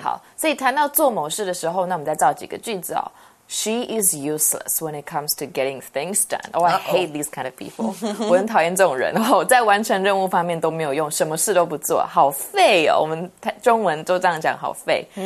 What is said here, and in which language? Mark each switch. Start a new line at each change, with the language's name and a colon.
Chinese: 好，所以谈到做某事的时候那我们再造几个句子哦。
English: She is useless when it comes to getting things done. Oh, I hate these kind of people.
Chinese: 我很讨厌这种人哦，在完成任务方面都没有用，什么事都不做，好废哦。我们中文都这样讲，好废。